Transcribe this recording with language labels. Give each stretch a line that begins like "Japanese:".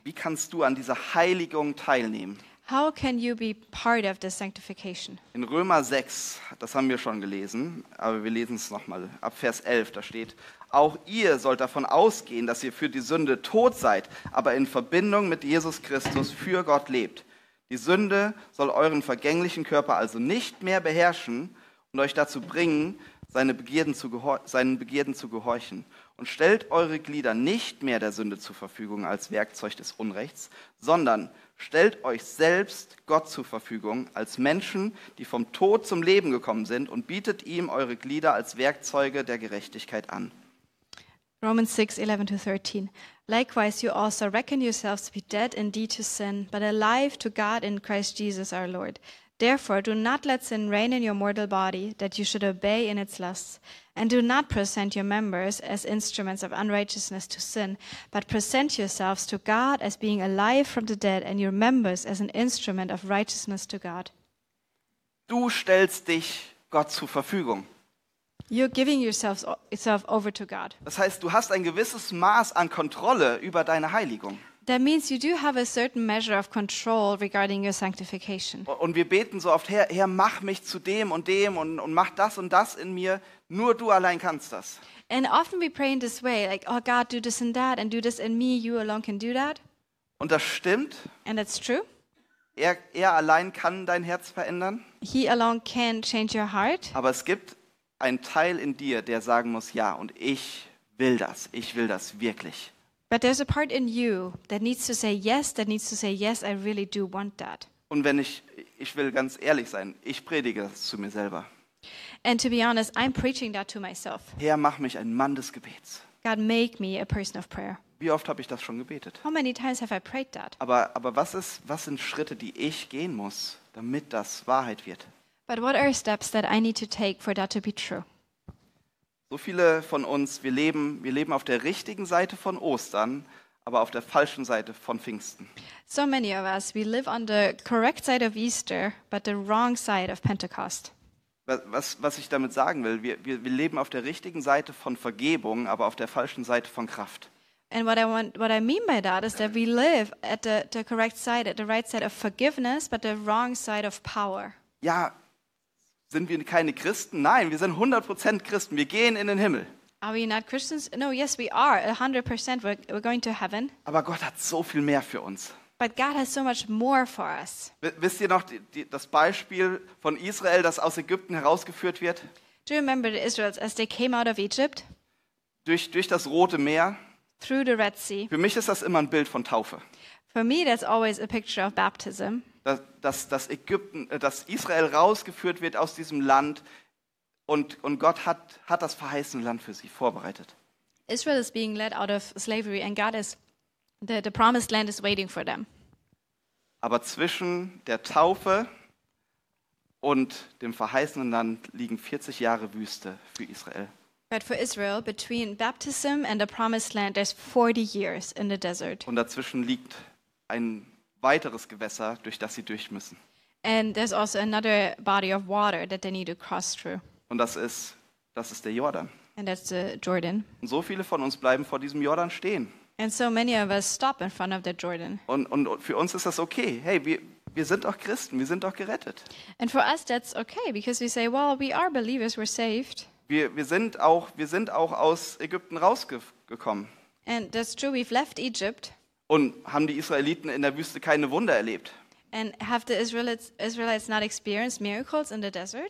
German: Wie kannst du an dieser Heiligung teilnehmen?
English: How can you be part of the sanctification?
German: In Römer 6, das haben wir schon gelesen, aber wir lesen es nochmal. Ab Vers 11, da steht, Auch ihr sollt davon ausgehen, dass ihr für die Sünde tot seid, aber in Verbindung mit Jesus Christus für Gott lebt. Die Sünde soll euren vergänglichen Körper also nicht mehr beherrschen und euch dazu bringen, seinen Begierden zu gehorchen. Und stellt eure Glieder nicht mehr der Sünde zur Verfügung als Werkzeug des Unrechts, sondern stellt euch selbst Gott zur Verfügung als Menschen, die vom Tod zum Leben gekommen sind, und bietet ihm eure Glieder als Werkzeuge der Gerechtigkeit an.
English: Romans 6:11-13. Likewise you also reckon yourselves to be dead indeed to sin, but alive to God in Christ Jesus our Lord. Therefore do not let sin reign in your mortal body, that you should obey in its lusts. And do not present your members as instruments of unrighteousness to sin, but present yourselves to God as being alive from the dead, and your members as an instrument of righteousness to God.
German: Du stellst dich Gott zur Verfügung.
English: You're giving yourself over to God.
German: Das heißt, du hast ein gewisses Maß an Kontrolle über deine Heiligung.
English: That means you do have a certain measure of control regarding your sanctification.
German: Und wir beten so oft, Herr, mach mich zu dem und dem und mach das und das in mir. Nur du allein kannst das.
English: And often we pray in this way, like, oh God, do this and that and do this in me, you alone can do that.
German: Und das stimmt.
English: And that's true.
German: Er allein kann dein Herz verändern.
English: He alone can change your heart.
German: Aber es gibt einen Teil in dir, der sagen muss, ja, und ich will das. Ich will das wirklich.
English: But there's a part in you that needs to say yes, I really do want that.
German: Und wenn ich will ganz ehrlich sein, ich predige das zu mir selber.
English: And to be honest, I'm preaching that to myself.
German: Herr, mach mich ein Mann des Gebets.
English: God, make me a person of prayer.
German: Wie oft habe ich das schon gebetet?
English: How many times have I prayed that?
German: Aber was sind Schritte, die ich gehen muss, damit das Wahrheit wird?
English: But what are steps that I need to take for that to be true?
German: So viele von uns, wir leben auf der richtigen Seite von Ostern, aber auf der falschen Seite von Pfingsten.
English: So many of us, we live on the correct side of Easter, but the wrong side of Pentecost.
German: Was ich damit sagen will, wir leben auf der richtigen Seite von Vergebung, aber auf der falschen Seite von Kraft.
English: And what I mean by that is that we live at the correct side, at the right side of forgiveness, but the wrong side of power.
German: Ja, sind wir keine Christen? Nein, wir sind 100% Christen. Wir gehen in den Himmel.
English: Are we not Christians? No, yes, we are. 100%. We're going to heaven.
German: Aber Gott hat so viel mehr für uns.
English: But God has so much more for us.
German: Wisst ihr noch das Beispiel von Israel, das aus Ägypten herausgeführt wird?
English: Do you remember the Israelites as they came out of Egypt?
German: Durch das Rote Meer.
English: Through the Red Sea.
German: Für mich ist das immer ein Bild von Taufe.
English: For me, that's always a picture of baptism.
German: Dass Ägypten, dass Israel rausgeführt wird aus diesem Land und Gott hat das verheißene Land für sie vorbereitet.
English: Israel is being led out of slavery and God is the promised land is waiting for them.
German: Aber zwischen der Taufe und dem verheißenen Land liegen 40 Jahre Wüste für Israel.
English: But for Israel, between baptism and the promised land, there's 40 years in the desert.
German: Und dazwischen liegt ein weiteres Gewässer, durch das sie durch müssen.
English: And there's also another body of water that they need to cross through.
German: Und das ist der Jordan.
English: And that's the Jordan.
German: Und so viele von uns bleiben vor diesem Jordan stehen.
English: And so many of us stop in front of the Jordan.
German: Und für uns ist das okay. Hey, wir sind doch Christen, wir sind doch gerettet.
English: And for us that's okay because we say, well, we are believers, we're saved.
German: Wir sind auch aus Ägypten rausgekommen.
English: And that's true, we've left Egypt.
German: Und haben die Israeliten in der Wüste keine Wunder erlebt?
English: And have the Israelites not experienced miracles in the desert?